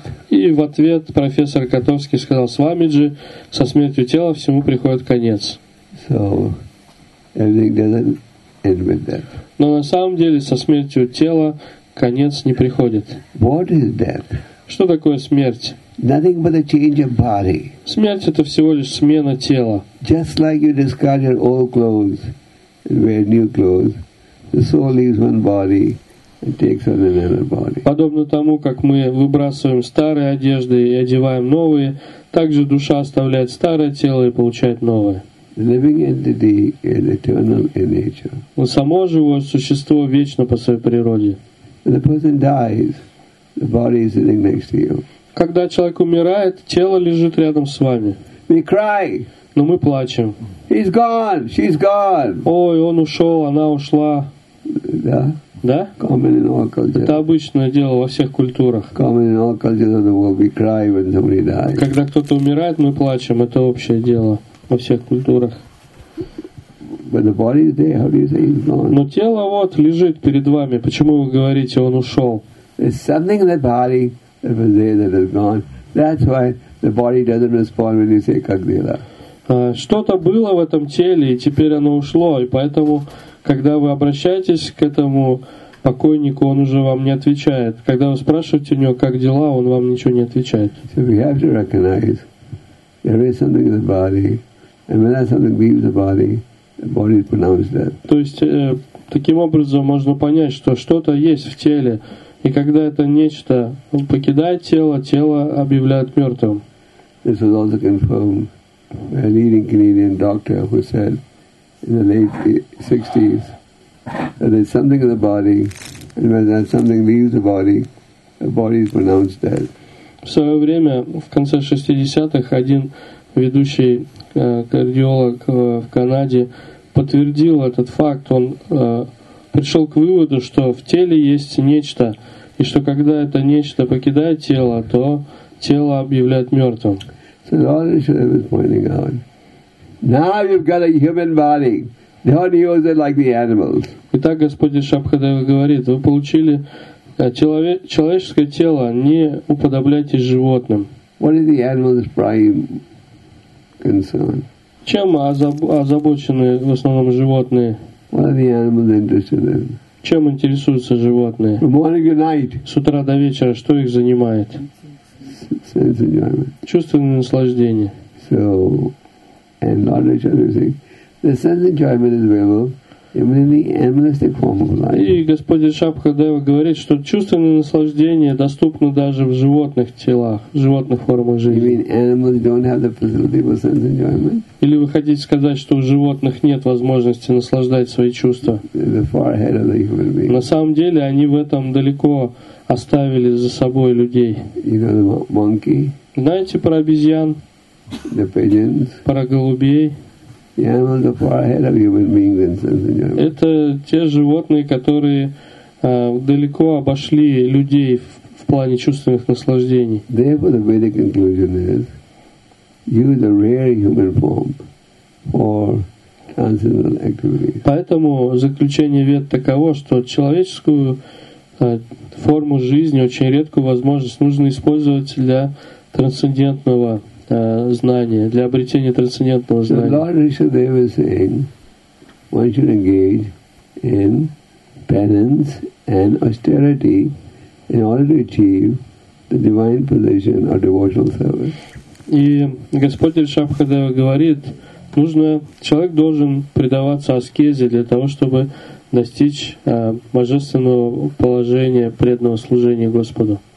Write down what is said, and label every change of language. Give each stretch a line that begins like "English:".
Russian: И в ответ профессор Котовский сказал: «Свамиджи, со смертью тела всему приходит конец».
English: So, everything doesn't end with death.
Russian: Но на самом деле со смертью тела конец не приходит.
English: What is death?
Russian: Что такое смерть?
English: Nothing but a change of body.
Russian: Смерть — это всего лишь смена тела.
English: Just like you discard your old clothes and wear new clothes, the soul leaves one body and takes on another body.
Russian: Подобно тому, как мы выбрасываем старые одежды и одеваем новые, также душа оставляет старое тело и получает новое.
English: The living entity is eternal in nature.
Russian: Но само живое существо вечно по своей природе.
English: When the person dies, the body is sitting next to you.
Russian: Когда человек умирает, тело лежит рядом с вами.
English: We cry.
Russian: Но мы плачем.
English: He's gone. She's gone.
Russian: Ой, он ушел, она ушла. Да? Да?
English: Common in all cultures.
Russian: Это обычное дело во всех культурах.
English: Common in all cultures of the world. We cry when somebody dies.
Russian: Когда кто-то умирает, мы плачем. Это общее дело во всех культурах.
English: But the body is there. How do you say he's gone?
Russian: Но тело вот лежит перед вами. Почему вы говорите, он ушел?
English: There's something in the body that was there that is gone. That's why the body doesn't respond when you say
Russian: как дела. Что-то было в этом теле, и теперь оно ушло. И поэтому, когда вы обращаетесь к этому покойнику, он уже вам не отвечает. Когда вы спрашиваете у него, как дела, он вам ничего не отвечает.
English: So we have to recognize there is something in the body, and when that something leaves the body is pronounced dead.
Russian: То есть, таким образом можно понять, что что-то есть в теле, и когда это нечто покидает тело, тело объявляют мертвым.
English: This was also confirmed by a leading Canadian doctor who said in the late 60s that there's something in the body, and when that something leaves the body is pronounced dead.
Russian: В свое время, в конце 60-х, один ведущий кардиолог в Канаде подтвердил этот факт. Он пришел к выводу, что в теле есть нечто, и что когда это нечто покидает тело, то тело объявляет мертвым.
English: said, all the Shiva is pointing out. Now you've got a human body. Don't use it like the animals.
Russian: Итак, Господь Шабхадева говорит, вы получили человеческое тело, не уподобляйтесь животным.
English: What is the animal's prime concern?
Russian: Чем озабочены в основном животные?
English: What are the animals interested in?
Russian: Чем интересуются животные?
English: From morning to night.
Russian: С утра до вечера, что их занимает?
English: Sense enjoyment.
Russian: Чувственное наслаждение.
English: So, and Lord Vishnu is saying, the sense enjoyment is available even in the animalistic form of life.
Russian: И Господь Шабхадева говорит, что чувственное наслаждение доступно даже в животных телах, в животных формах жизни.
English: You mean animals don't have the facility for sense enjoyment?
Russian: Или вы хотите сказать, что у животных нет возможности наслаждать свои чувства?
English: They're far ahead of the human being.
Russian: На самом деле они в этом далеко оставили за собой людей.
English: You know the monkey?
Russian: Знаете про обезьян?
English: The pigeons?
Russian: Про голубей?
English: The animals are far ahead of human beings in sense enjoyment.
Russian: Это те животные, которые далеко обошли людей в плане чувственных наслаждений.
English: Therefore, the Vedic conclusion is: use a rare human form for transcendental activities.
Russian: Поэтому заключение Вед таково, что человеческую форму жизни, очень редкую возможность, нужно использовать для трансцендентного знания, для обретения трансцендентного знания.
English: So Lord Rishadeva is saying one should engage in penance and austerity in order to achieve the divine position or devotional service.
Russian: И Господь Ришабхадева говорит, нужно, человек должен предаваться аскезе для того, чтобы достичь божественного положения преданного служения Господу.